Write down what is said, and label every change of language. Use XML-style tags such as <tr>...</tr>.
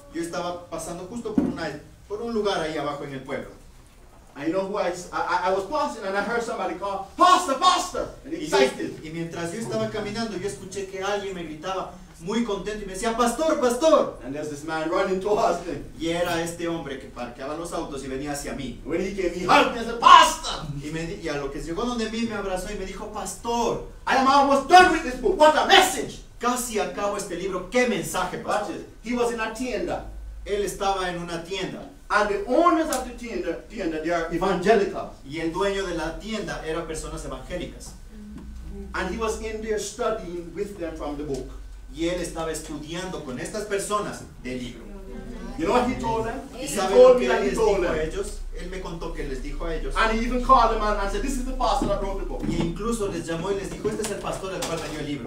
<es>Yo estaba pasando justo por un lugar ahí abajo en el pueblo.</es> <en>I know who I was passing and I heard somebody call, Pastor, Pastor! And excited.</en> <es>Y mientras yo estaba caminando, yo escuché que alguien me gritaba muy contento y me decía, Pastor, Pastor!</es> <en>And there's this man running towards me.</en> <es>Y era este hombre que parqueaba los autos y venía hacia mí.</es> <en>When he came here, he said, Pastor!</en> <es>Y a lo que llegó donde mí, me abrazó y me dijo, Pastor!</es> <en>I am almost done with this book, what a message!</en> <es>Casi acabo este libro, ¿qué mensaje, Pastor?</es> <en>He was in a tienda.</en> <es>Él estaba en una tienda.</es> <en>And the owners of the tienda, they are evangelical.</en> <es>Y el dueño de la tienda era personas evangélicas.</es> <en>And he was in there studying with them from the book.</en> <es>Y él estaba estudiando con estas personas del libro.</es> <en>You know what he told them?</en> <es>Y saben lo que él les dijo a ellos. Él me contó que les dijo a ellos.</es> <en>And he even called them and said, "This is the pastor that wrote the book."</en> <es>Y incluso les llamó y les dijo, "Este es el pastor el cual dio el libro."</es>